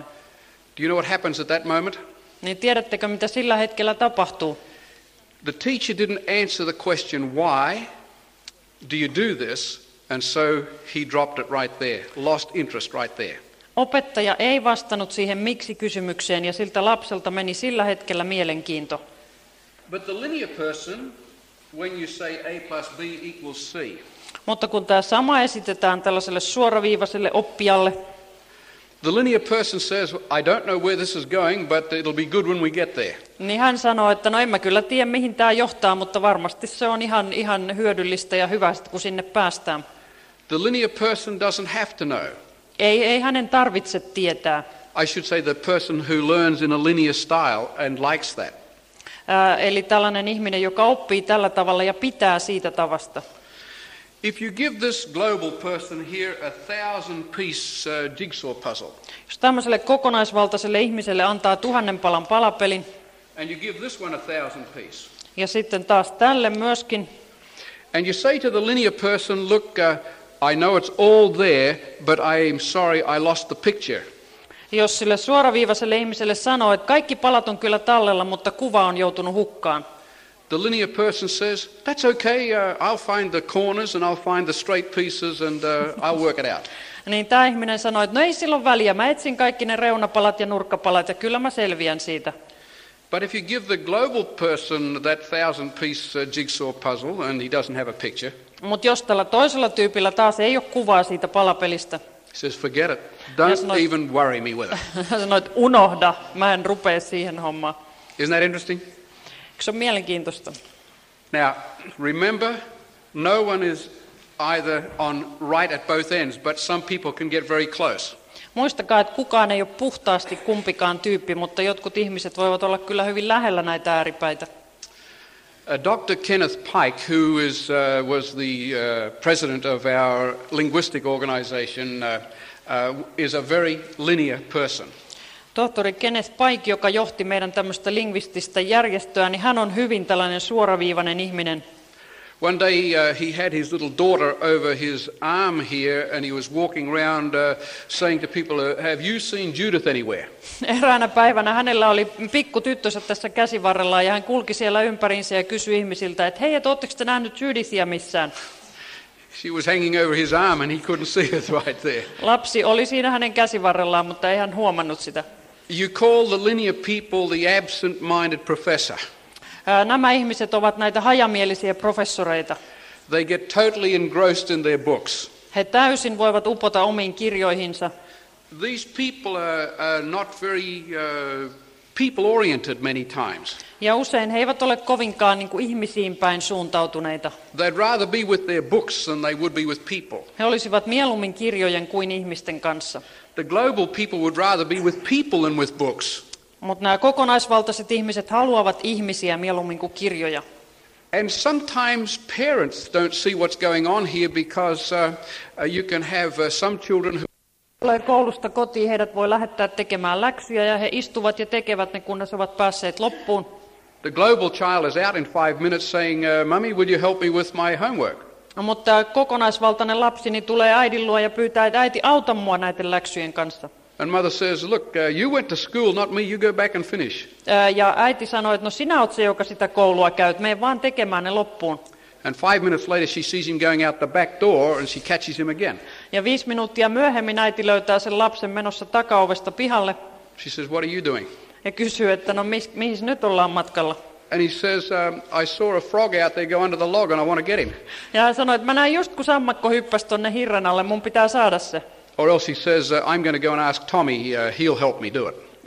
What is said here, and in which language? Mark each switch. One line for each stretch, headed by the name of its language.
English: Do you know what happens at that moment?
Finnish: Niin tiedättekö, mitä sillä hetkellä tapahtuu?
English: The teacher didn't answer the question, why do you do this? And so he dropped it right there, lost interest right there.
Finnish: Opettaja ei vastannut siihen miksi kysymykseen ja siltä lapselta meni sillä hetkellä mielenkiinto.
English: But the linear person, when you say A plus B equals C.
Finnish: Mutta kun tämä sama esitetään tällaiselle suoraviivaiselle oppijalle.
English: The linear person says, I don't know where this is going, but it'll be good when we get there.
Finnish: Niin hän sanoo, että no en mä kyllä tiedä mihin tämä johtaa, mutta varmasti se on ihan hyödyllistä ja hyvä, kun sinne päästään.
English: The linear person doesn't have to know.
Finnish: Ei hänen tarvitse tietää.
English: I should say the person who learns in a linear style and likes that.
Finnish: Eli tällainen ihminen, joka oppii tällä tavalla ja pitää siitä tavasta.
English: If you give this global person here a 1,000-piece jigsaw puzzle.
Finnish: Jos tämmöiselle kokonaisvaltaiselle ihmiselle antaa 1,000 palan palapelin.
English: And you give this one a 1,000-piece.
Finnish: Ja sitten taas tälle myöskin.
English: And you say to the linear person, look, I know it's all there, but I am sorry, I lost the picture.
Finnish: Jos sille suoraviivaiselle ihmiselle sanoo, että kaikki palat on kyllä tallella, mutta kuva on joutunut hukkaan.
English: The linear person says, that's okay, I'll find the corners and I'll find the straight pieces and I'll work it out.
Finnish: Niin tämä ihminen sanoi, että no ei sillä ole väliä, mä etsin kaikki ne reunapalat ja nurkkapalat ja kyllä mä selviän siitä.
English: But if you give the global person that 1,000-piece jigsaw puzzle and he doesn't have a picture.
Finnish: Mut jos tällä toisella tyypillä taas ei ole kuvaa siitä palapelistä.
English: Says, forget it. Don't even worry me with it.
Finnish: Sanoit, unohda, mä en rupee siihen hommaan.
English: Isn't that interesting?
Finnish: Se on mielenkiintoista.
English: Now, remember, no one is either on right at both ends, but some people can get very close.
Finnish: Muistakaa, että kukaan ei ole puhtaasti kumpikaan tyyppi, mutta jotkut ihmiset voivat olla kyllä hyvin lähellä näitä ääripäitä.
English: Dr. Kenneth Pike, who is was the president of our linguistic organization, is a very linear person.
Finnish: Tohtori Kenneth Pike, joka johti meidän tämmöistä lingvististä järjestöä, niin hän on hyvin tällainen suoraviivainen ihminen.
English: One day he had his little daughter over his arm here and he was walking around saying to people, have you seen Judith anywhere?
Finnish: Eräänä päivänä hänellä oli pikku tyttönsä tässä käsivarrella ja hän kulki siellä ympärinsä ja kysyi ihmisiltä, että hei, oletteko te nähnyt Judithia missään?
English: She was hanging over his arm and he couldn't see it right there.
Finnish: Lapsi oli siinä hänen käsivarrellaan, mutta ei hän huomannut sitä.
English: You call the linear people the absent-minded professor.
Finnish: Nämä ihmiset ovat näitä hajamielisiä professoreita.
English: They get totally engrossed in their books.
Finnish: He täysin voivat upota omiin kirjoihinsa.
English: These people are not very people-oriented many times.
Finnish: Ja usein he eivät ole kovinkaan niin kuin ihmisiin päin suuntautuneita.
English: They'd rather be with their books than they would be with people.
Finnish: He olisivat mieluummin kirjojen kuin ihmisten kanssa.
English: The global people would rather be with people than with books.
Finnish: Mutta nämä kokonaisvaltaiset ihmiset haluavat ihmisiä mieluummin kuin kirjoja.
English: And sometimes parents don't see what's going on here because you can have some children who
Finnish: tulee koulusta kotiin, heidät voi lähettää tekemään läksyjä ja he istuvat ja tekevät ne, kunnes ovat päässeet loppuun.
English: The global child is out in 5 minutes saying, Mummy, will you help me with my homework?
Finnish: No, mutta kokonaisvaltainen lapsi niin tulee äidin luo ja pyytää, että äiti, auta mua näiden läksyjen kanssa.
English: And mother says, look, you went to school, not me, you go back and finish.
Finnish: Ja äiti sanoi, että no sinä oot se, joka sitä koulua käyt, mene vaan tekemään ne loppuun.
English: And 5 minutes later she sees him going out the back door and she catches him again.
Finnish: Ja 5 minuuttia myöhemmin äiti löytää sen lapsen menossa takaovesta pihalle.
English: She says, what are you doing?
Finnish: Ja kysyy, että no mihin nyt ollaan matkalla.
English: And he says, I saw a frog out there go under the log and I want to get him.
Finnish: Ja hän sanoi, että mä näin just kun sammakko hyppäsi tonne hirren alle, mun pitää saada se.
English: Or else he says, I'm going to go and ask Tommy, he'll help me do it.